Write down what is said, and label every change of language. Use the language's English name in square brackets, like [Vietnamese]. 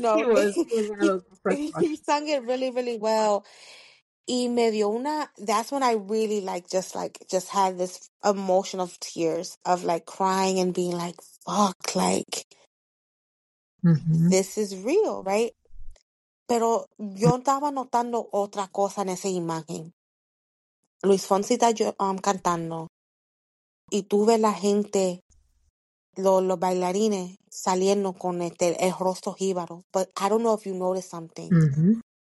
[English] know, he sung it really, really well. [Spanish] Y me dio una, [English] that's when I really just had this emotion of tears, of like crying and being like, fuck, like this is real, right? [Spanish] Pero yo estaba notando otra cosa en esa imagen. Luis Fonsi está cantando. Y tú ves la gente, los bailarines saliendo con el rostro jíbaro. [English] But I don't know if you noticed something.